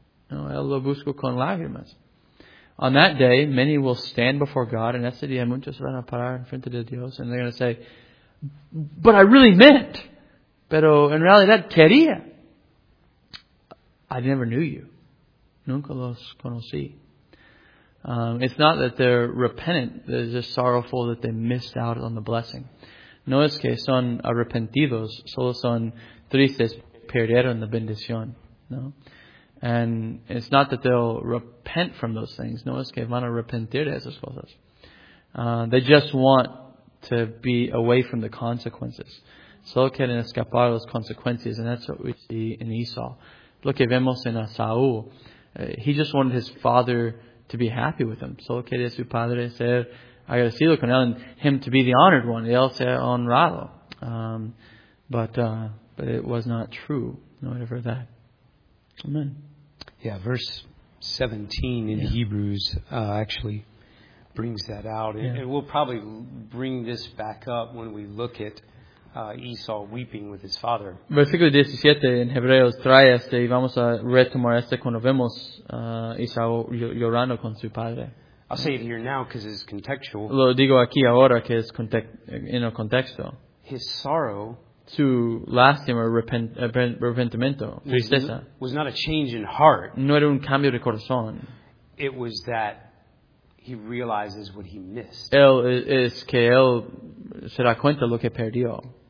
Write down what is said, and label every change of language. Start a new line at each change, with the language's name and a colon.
Spanish: No, él lo busco con lágrimas.
English: On that day, many will stand before God, and
Spanish: ese día muchos van a parar en frente de Dios,
English: and they're going to say, but I really meant,
Spanish: pero en realidad quería.
English: I never knew you.
Spanish: Nunca los conocí.
English: It's not that they're repentant, they're just sorrowful that they missed out on the blessing.
Spanish: No es que son arrepentidos, solo son tristes, perdieron la bendición. No.
English: And it's not that they'll repent from those things.
Spanish: No, es que van a arrepentir de esas cosas.
English: They just want to be away from the consequences.
Spanish: Solo quieren escapar de las consecuencias.
English: And that's what we see in Esau.
Spanish: Lo que vemos en Esaú.
English: He just wanted his father to be happy with him.
Spanish: Solo quería su padre ser agradecido con él.
English: And him to be the honored one.
Spanish: Y él ser honrado.
English: But it was not true. No, whatever that. Amen. Yeah, verse 17 in Hebrews actually brings that out. Yeah. And we'll probably bring this back up when we look at Esau weeping with his father.
Spanish: Versículo 17 en Hebreos trae este, y vamos a retomar este cuando vemos Esau llorando con su padre.
English: I'll say it here now because it's contextual.
Spanish: Lo digo aquí ahora que es en el contexto.
English: His sorrow.
Spanish: To lastima, arrepentimiento, tristeza.
English: Was not a change in heart.
Spanish: No era un cambio de corazón.
English: It was that he realizes what he missed.
Spanish: Él es que él se da cuenta lo que perdió.